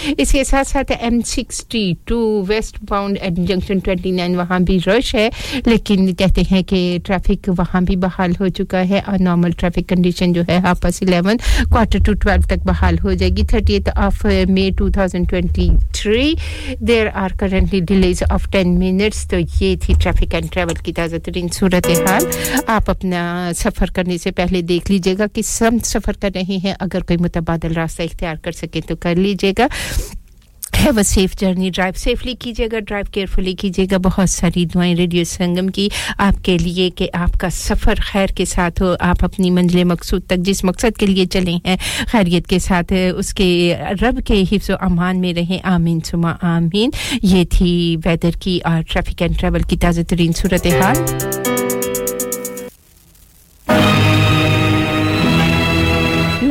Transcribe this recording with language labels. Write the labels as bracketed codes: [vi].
[hi] इसके साथ साथ M62 westbound at junction 29 वहां भी rush है लेकिन कहते हैं कि traffic वहां भी बहाल हो चुका है और normal traffic condition जो है 11:30 quarter to 12 तक बहाल हो जाएगी [en] 30th of May 2023 there are currently delays of 10 minutes [hi] तो ये थी traffic and travel की ताज़ा तरीन सूरत हाल आप अपना सफर करने से पहले देख लीजिएगा कि सम सफर कर रहे हैं अगर कोई मुतबादल रास्ता इख्तियार कर सके तो कर लीजिएगा [en] Have a safe journey. Drive safely [hi] कीजिएगा. [en] Drive carefully कीजिएगा. [hi] बहुत सारी दुआएं रेडियो संगम की आपके लिए कि आपका सफर खैर के साथ हो. आप अपनी मंजिल मकसूद तक जिस मकसद के लिए चले हैं खैरियत के साथ उसके रब के हिफ्ज व अमान में रहें. आमीन सुमा आमीन. ये थी वेदर की और ट्रैफिक एंड ट्रैवल की ताज़ा तरीन सूरत हाल.